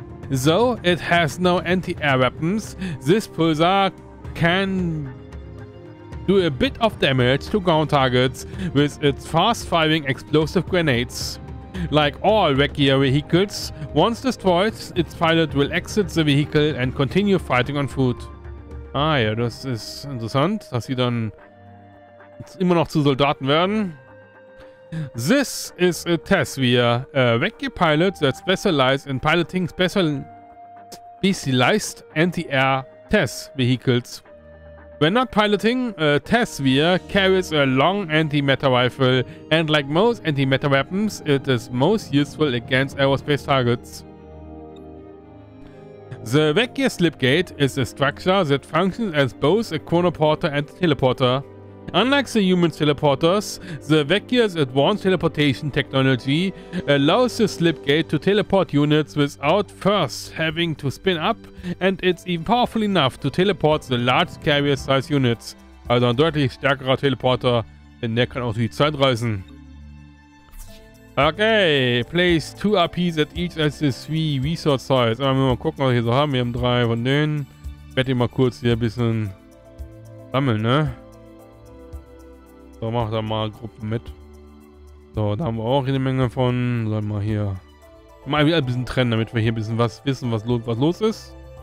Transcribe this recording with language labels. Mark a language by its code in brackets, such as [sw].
[en] Though it has no anti-air weapons, this Pulsar can do a bit of damage to ground targets with its fast-firing explosive grenades. Like all Vekir vehicles, once destroyed, its pilot will exit the vehicle and continue fighting on foot. [de] Ah ja, das ist interessant, dass sie dann immer noch zu Soldaten werden. [en] This is a Tasvir, a Vekir pilot that specializes in piloting specialized anti-air TAS vehicles. When not piloting, Tesvir carries a long anti-matter rifle, and like most anti-matter weapons, it is most useful against aerospace targets. The Vecchia Slipgate is a structure that functions as both a chronoporter and a teleporter. Unlike the human teleporters, the Vecchia's advanced teleportation technology allows the Slipgate to teleport units without first having to spin up, and it's even powerful enough to teleport the large carrier-sized units. [de] Also ein deutlich stärkerer Teleporter, denn der kann auch durch die Zeit reisen. [en] Okay, place 2 RPs at each of the 3 resource sites. [de] Aber wir mal gucken, was wir hier so haben. Wir haben 3 von denen. Ich werde die mal kurz hier ein bisschen sammeln, ne? So, mach da mal Gruppen mit. So, da haben wir auch eine Menge von. Sollen wir hier mal wieder ein bisschen trennen, damit wir hier ein bisschen was wissen, was los ist.